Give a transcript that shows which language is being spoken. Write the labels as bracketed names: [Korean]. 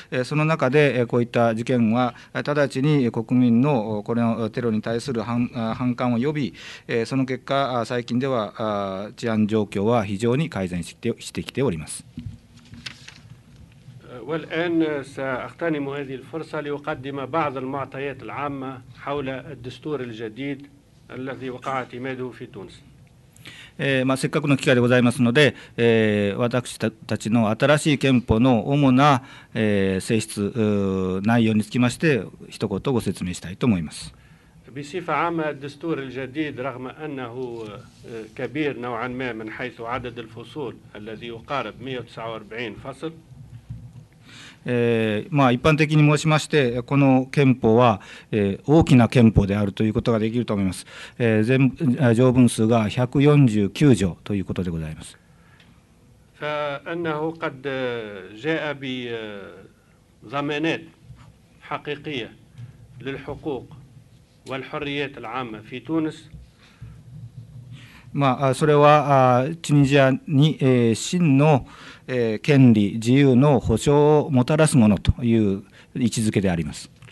[Japanese] その中で、こういった事件は、直ちに国民のこれのテロに対する 反感を呼び、その結果、最近では治安状況は非常に改善してきております。 [Arabic] والآن سأغتنم هذه الفرصة لأقدم بعض المعطيات العامة حول الدستور الجديد الذي وقع اعتماده في تونس。 [Japanese] まあ、せっかくの機会でございますので、私たちの新しい憲法の主な、性質、内容につきまして一言ご説明したいと思います。 [Arabic] بصفة عامة الدستور الجديد رغم أنه كبير نوعا ما من حيث عدد الفصول الذي يقارب 149 فصل。 [Japanese] まあ、一般的に申しまして、この憲法は、大きな憲法であるということができると思います。条文数が149条ということでございます。 [Arabic] فأنه قد جاء بضمانات حقيقية للحقوق والحريات العامة في تونس。 [Japanese] まあ、それはチュニジアに真の権利、自由の保障をもたらすものという位置づけであります。